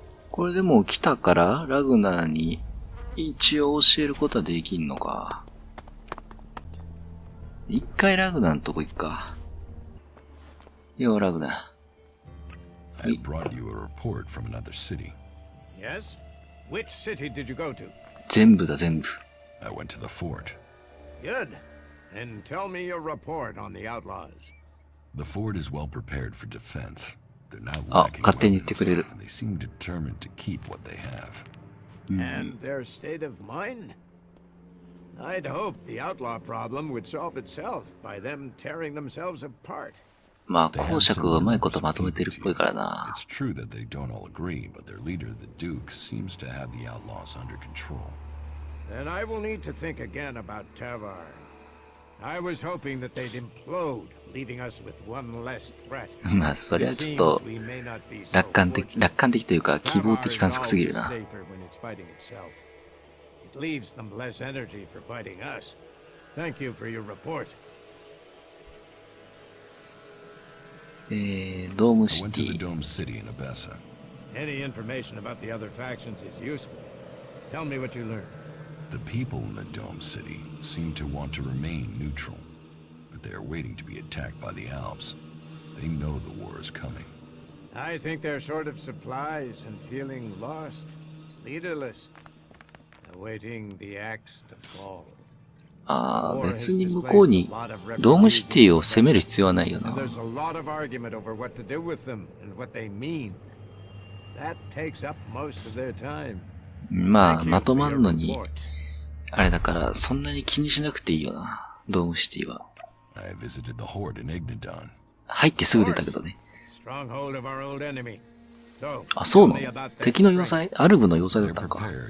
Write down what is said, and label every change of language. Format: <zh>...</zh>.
<ja>これでもう来たからラグナーに一応教えることはできんのか。一回ラグナーのとこ行くか。よーラグナー。</ja> <en>I brought you a report from another city. Yes? Which city did you go to?</en> <ja>全部だ、全部。</ja> <en>I went to the fort. Good. And tell me your report on the outlaws. The fort is well prepared for defense. They're not lacking weapons, and they seem determined to keep what they have. And their state of mind? I'd hoped the outlaw problem would solve itself by them tearing themselves apart.</en> <ja>まあ、公爵がうまいことまとめてるっぽいからな。</ja> <en>It's true that they don't all agree, but their leader, the Duke, seems to have the outlaws under control. Then I will need to think again about Tavar. I was hoping that they'd implode, leaving us with one less threat.</en> <ja>まあ、それはちょっと、楽観的というか、希望的観測すぎるな。</ja> <en>Safer when it's fighting itself. It leaves them less energy for fighting us. Thank you for your report.</en> <ja>ドームシティ。</ja> <en>I went to the Dome City in Abessa. Any information about the other factions is useful. Tell me what you learned. The people in the Dome City seem to want to remain neutral, but they are waiting to be attacked by the Alps. They know the war is coming. I think they're short of supplies and feeling lost, leaderless, awaiting the axe to fall.</en> <ja>別に向こうにドームシティを攻める必要はないよな。</ja> <en>There's a lot of argument over what to do with them and what they mean. That takes up most of their time.</en> <ja>まあ、まとまんのに、あれだから、そんなに気にしなくていいよな、ドームシティは。</ja> <en>I visited the horde in Ignadon.</en> <ja>入ってすぐ出たけどね。</ja> <en>Stronghold of our old enemy.</en> <ja>So, あ、そうなの？敵の要塞、アルブの要塞だったのか。</ja>